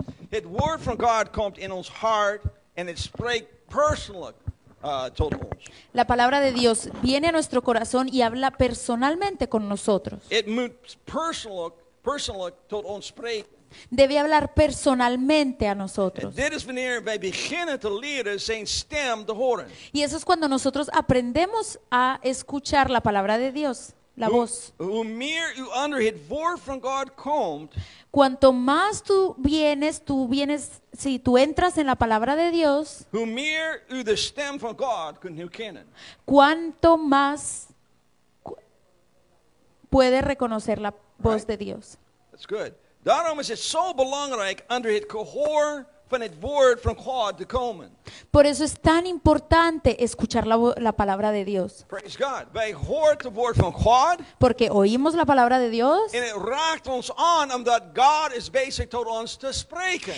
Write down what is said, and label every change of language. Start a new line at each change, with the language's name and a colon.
Dutch: Het woord van God komt in ons hart en het spreekt persoonlijk tot ons.
Spanish: La palabra de Dios viene a nuestro corazón y habla personalmente con nosotros.
Dutch: Het moet persoonlijk tot ons spreken.
Spanish: Debe hablar personalmente a nosotros.
Dutch: Dit is wanneer wij beginnen te leren zijn stem te horen.
Spanish: Y eso es cuando nosotros aprendemos a escuchar la palabra de Dios. La voz.
Dutch: Hoe meer u onder het woord van God komt,
Spanish: cuanto más tú vienes, si tú entras en la palabra de Dios,
Dutch: hoe meer u de stem van God kunt herkennen.
Spanish: Cuanto más puede reconocer la voz de Dios.
English: That's good.
Dutch: Daarom is het zo belangrijk onder het gehoor van het woord van God te komen.
Spanish: Por eso es tan importante escuchar la palabra de Dios.
English: Praise God.
Dutch: Wij horen het woord van God.
Spanish: Porque oímos la palabra de Dios.
Dutch: En het raakt ons aan omdat God is bezig tot ons te spreken.